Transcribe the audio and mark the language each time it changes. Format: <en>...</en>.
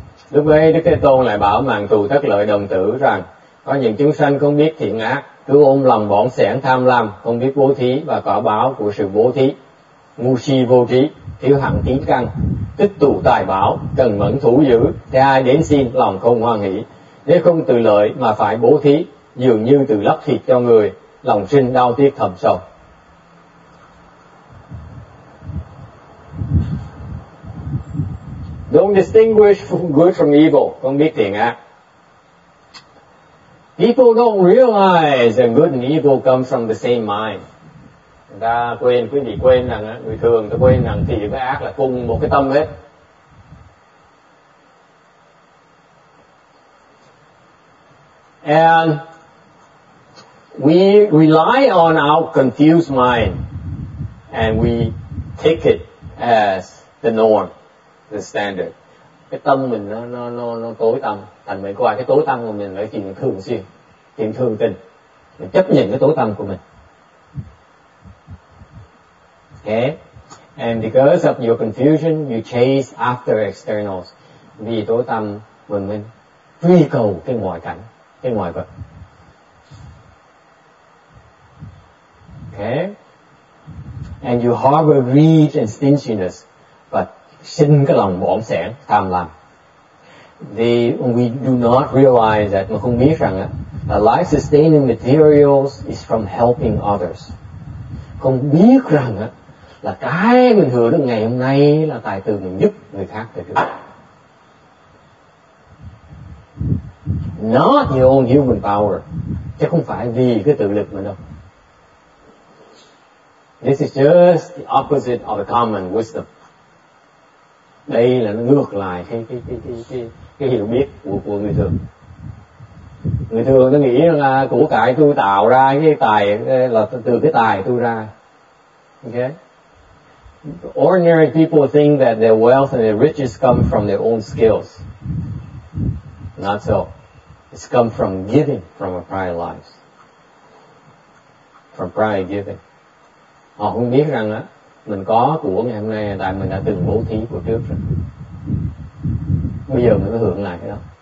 <vi>Lúc ấy Đức Thế Tôn lại bảo màn tù tất lợi đồng tử rằng có những chúng sanh không biết thiện ác, cứ ôm lòng bỏng sẻn tham lam, không biết bố thí và quả báo của sự bố thí, ngu si vô trí, thiếu hẳn tín căn, tích tụ tài bảo, cần mẫn thủ giữ, thế ai đến xin lòng không hoan hỷ, nếu không tự lợi mà phải bố thí, dường như tự lấp thịt cho người, lòng sinh đau tiếc thầm sầu.</vi> <en>Don't distinguish good from evil,</en> <vi>không biết thiện ác.</vi> <en>People don't realize that good and evil come from the same mind.</en> <vi>Người ta quên, quý vị quên rằng, người thường ta quên rằng thiện với ác là cùng một cái tâm hết.</vi> <en>And we rely on our confused mind and we take it as the norm, the standard.</en> <vi>Cái tâm mình nó tối tăm, thành mình coi cái tối tăm của mình là cái chuyện thường xuyên. Chuyện thường tình, mình chấp nhận cái tối tâm của mình. Okay?</vi> <en>And because of your confusion, you chase after externals.</en> <vi>Vì tối tâm, mình truy cầu cái ngoại cảnh, cái ngoại vật.</vi> <en>Okay? And you harbor greed and stinginess, but</en> <vi>sinh cái lòng bỏng sẻn, tham lam.</vi> <en>We do not realize that,</en> <vi>mà không biết rằng á,</vi> <en>life-sustaining materials is from helping others.</en> <vi>Không biết rằng á, là cái mình hưởng được ngày hôm nay là tài từ mình giúp người khác được.</vi> <en>Not your own human power.</en> <vi>Chứ không phải vì cái tự lực mình đâu.</vi> <en>This is just the opposite of the common wisdom.</en> <vi>Đây là nó ngược lại cái hiểu biết của người thường. Người thường nó nghĩ là của cải tôi tạo ra cái tài là từ cái tài tôi ra. Okay?</vi> <en>Ordinary people think that their wealth and their riches come from their own skills. Not so. It's come from giving from our prior lives. From prior giving.</en> <vi>Họ không biết rằng á, mình có của ngày hôm nay tại mình đã từng bố thí của trước rồi. Bây giờ mình mới hưởng lại cái đó.</vi>